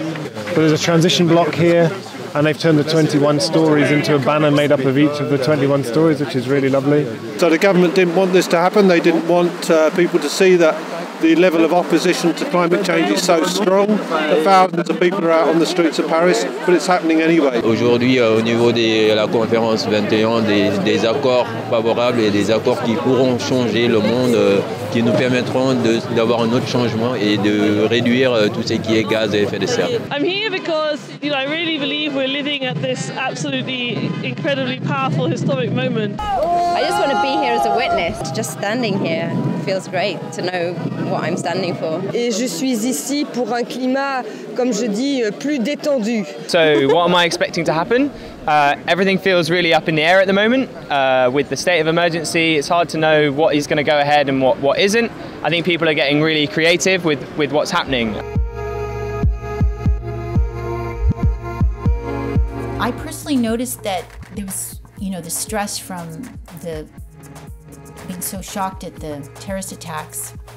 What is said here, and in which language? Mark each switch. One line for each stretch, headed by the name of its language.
English: But there's a transition block here, and they've turned the 21 stories into a banner made up of each of the 21 stories, which is really lovely. So the government didn't want this to happen. They didn't want people to see that the level of opposition to climate change is so strong that thousands of people are out on the streets of Paris, but it's happening anyway.
French: Aujourd'hui, au niveau de la conférence 21, des accords favorables et des accords qui pourront changer le monde, qui nous permettront d'avoir un autre changement et de réduire tout ce qui est gaz à effet de serre.
English: I'm here because, you know, I really believe we're living at this absolutely incredibly powerful historic moment. I just want to be here as a witness. Just standing here feels great to know what I'm standing for.
French: Et je suis ici pour un climat, comme je dis, plus détendu.
English: So what am I expecting to happen? Everything feels really up in the air at the moment. With the state of emergency, it's hard to know what is going to go ahead and what isn't. I think people are getting really creative with what's happening. I personally noticed that there was, you know, the stress from the being so shocked at the terrorist attacks.